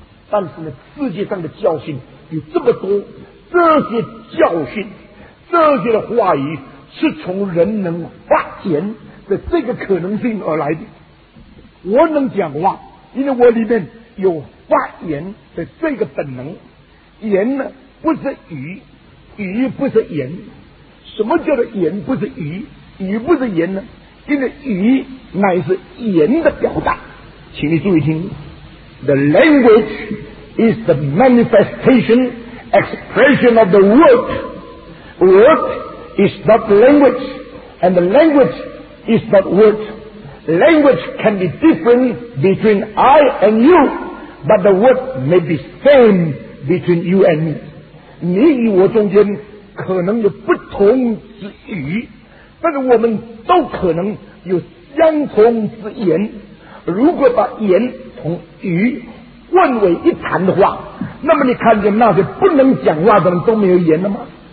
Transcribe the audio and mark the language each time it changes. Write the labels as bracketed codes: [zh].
[zh] 但是呢，世界上的教训有这么多，这些教训、这些的话语是从人能发言的这个可能性而来的。我能讲话，因为我里面有发言的这个本能。言呢，不是语，语不是言。什么叫做言不是语，语不是言呢？因为语乃是言的表达。请你注意听 [en] ，The language is the manifestation。 Expression of the word. Word is not language, and the language is not word. Language can be different between I and you, but the word may be same between you and me. [zh] 你与我中间可能有不同之语，但是我们都可能有相同之言。如果把言同语混为一谈的话，那么你看见那些不能讲话的人都没有言了吗？